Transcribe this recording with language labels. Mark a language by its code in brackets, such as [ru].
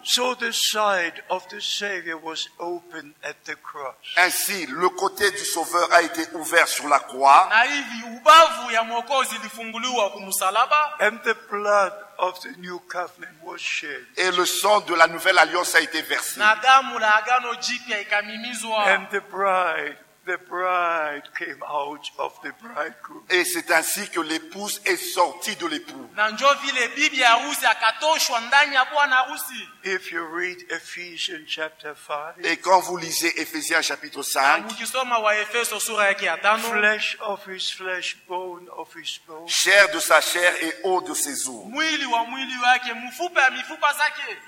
[en] So the side of the Savior was open at the cross. [fr] Ainsi, le côté du Sauveur a été ouvert sur la croix. [sw] Na hivi ubavu ya Mwokozi ilifunguliwa kwa msalaba. [en] And the blood of the new covenant was shed. [fr] Et le sang de la nouvelle alliance a été versé. [sw] Nadamu la agano jipya ikamimizwa. [en] And the bride came out of the bridegroom. [fr] Et c'est ainsi que l'épouse est sortie de l'époux. [sw] Nanjo vile bibi harusi akatoshwa ndani ya bwana harusi. [en] If you read Ephesians chapter 5. [fr] Et quand vous lisez Ephésiens chapitre 5. [sw] Ukisoma wa Efeso sura yake atano. [en] Flesh of his flesh, bone of his bone. [fr] Chair de sa chair et os de ses os. [sw] Mwili wa mwili wake, mfupa ya mifupa zake.